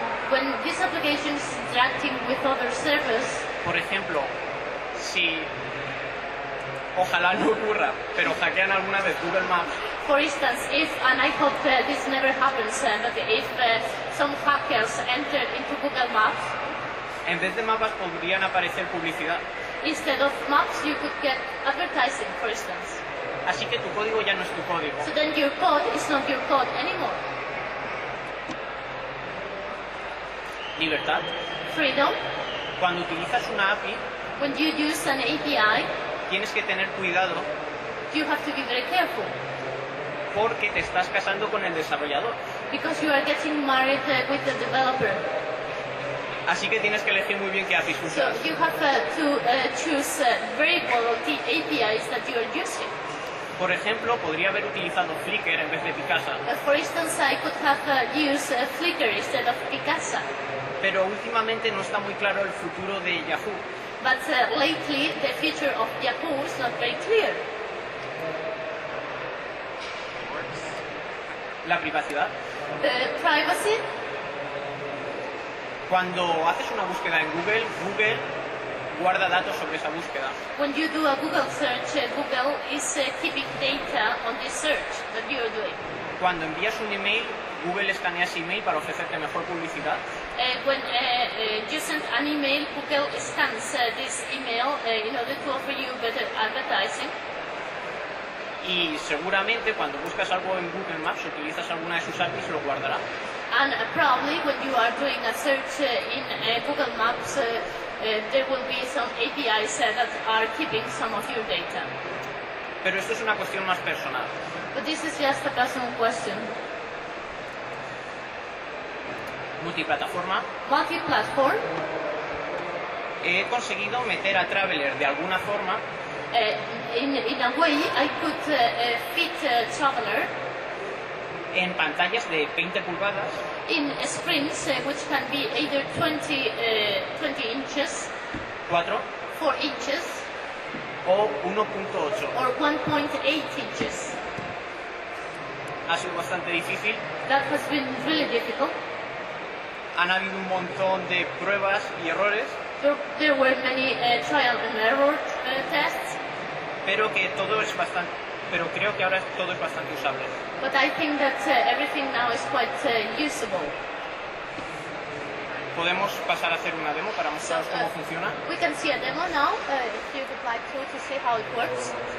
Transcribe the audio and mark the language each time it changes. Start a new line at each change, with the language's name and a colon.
English: When this application is interacting with other servers.
Spanish: Por ejemplo, si ojalá no ocurra, pero hackean alguna vez Google Maps.
English: For instance, if, and I hope this never happens, but if some hackers enter into Google Maps,
Spanish: en vez de mapas podrían aparecer publicidad.
English: Instead of maps, you could get advertising, for instance.
Spanish: Así que tu código ya no es tu código.
English: So then your code is not your code anymore.
Spanish: Libertad.
English: Freedom.
Spanish: Cuando utilizas una API,
English: when you use an API,
Spanish: tienes que tener cuidado.
English: You have to be very careful.
Spanish: Porque te estás casando con el desarrollador.
English: Because you are getting married with the developer.
Spanish: Así que tienes que elegir muy bien qué APIs usas.
English: So you have to choose very well the APIs that you are using.
Spanish: Por ejemplo, podría haber utilizado Flickr en vez de Picasa.
English: For instance, I could have used Flickr instead of Picasa.
Spanish: Pero últimamente no está muy claro el futuro de Yahoo.
English: But lately, the future of Yahoo is not very clear.
Spanish: ¿La privacidad?
English: Privacy.
Spanish: Cuando haces una búsqueda en Google, Google guarda datos sobre esa búsqueda.
English: When you do a Google search, Google is keeping data on the search that you are doing.
Spanish: Cuando envías un email, Google escanea ese email para ofrecerte mejor publicidad.
English: When you send an email, Google scans this email in order to offer you better advertising.
Spanish: Y seguramente cuando buscas algo en Google Maps, utilizas alguna de sus APIs, lo guardará.
English: And probably when you are doing a search in Google Maps, there will be some APIs that are keeping some of your data.
Spanish: Pero esto es una cuestión más personal.
English: But this is just a personal question.
Spanish: Multiplataforma.
English: Multiplatform.
Spanish: He conseguido meter a Traveler de alguna forma.
English: In a way, I could fit Traveler.
Spanish: En pantallas de 20 pulgadas.
English: In screens which can be either 20 inches.
Spanish: 4.
English: 4 inches.
Spanish: O 1.8.
English: Or 1.8 inches.
Spanish: Ha sido bastante difícil.
English: That has been really difficult.
Spanish: Han habido un montón de pruebas y errores.
English: There were many trial and error tests.
Spanish: Pero que todo es bastante. Pero creo que ahora todo es bastante usable.
English: But I think that everything now is quite usable.
Spanish: Podemos pasar a hacer una demo para mostraros cómo funciona.
English: We can see a demo now, if you would like to see how it works.